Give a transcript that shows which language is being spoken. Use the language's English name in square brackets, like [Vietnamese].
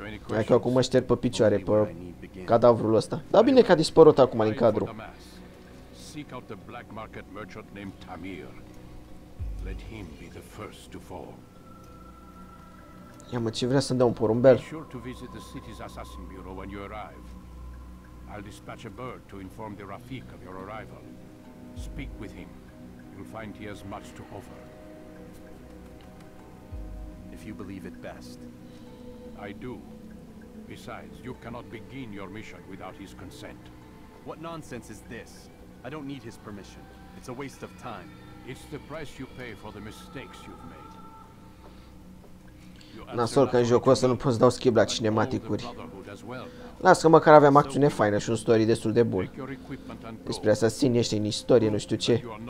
[Romanian] Hai că acum mă șterg pe picioare pe cadavrul ăsta. Dar bine că a dispărut acum din cadru. [English] Seek out the black market merchant named Tamir. Let him be the first to fall. [Romanian] Ia mă, ce vrea să-mi dea un porumbel? [English] Be sure to visit the city's assassin bureau when you arrive. I'll dispatch a bird to inform the Rafik of your arrival. Speak with him. You'll find he has much to offer. If you believe it best. I do. Besides, you cannot begin your mission without his consent. What nonsense is this? I don't need his permission. It's a waste of time. It's the price you pay for the mistakes you've made. [Romanian] Nasol că în jocul ăsta nu pot să dau skip la cinematicuri. Lasă că măcar aveam acțiune faină și un story destul de bun. Despre asta ținește în istorie, nu știu ce.